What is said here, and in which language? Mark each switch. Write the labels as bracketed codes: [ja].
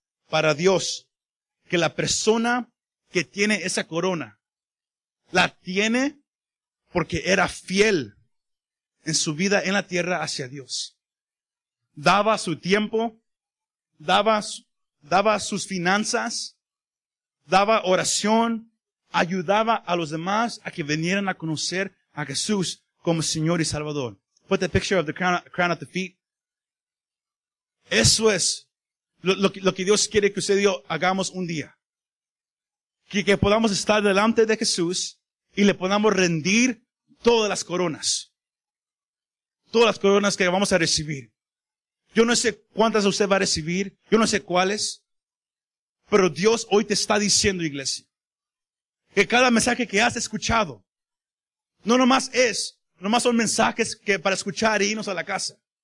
[es] Para Dios, que la persona que tiene esa corona, la tiene porque era fiel en su vida en la tierra hacia Dios. Daba su tiempo, daba sus finanzas, daba oración, ayudaba a los demás a que vinieran a conocer a Jesús como Señor y Salvador. [en] Put the picture of the crown at the feet. [es] Eso es. Lo que Dios quiere que usted y yo hagamos un día. Que podamos estar delante de Jesús y le podamos rendir todas las coronas. Todas las coronas que vamos a recibir. Yo no sé cuántas usted va a recibir, yo no sé cuáles, pero Dios hoy te está diciendo, iglesia, que cada mensaje que has escuchado, no nomás son mensajes que para escuchar e irnos a la casa.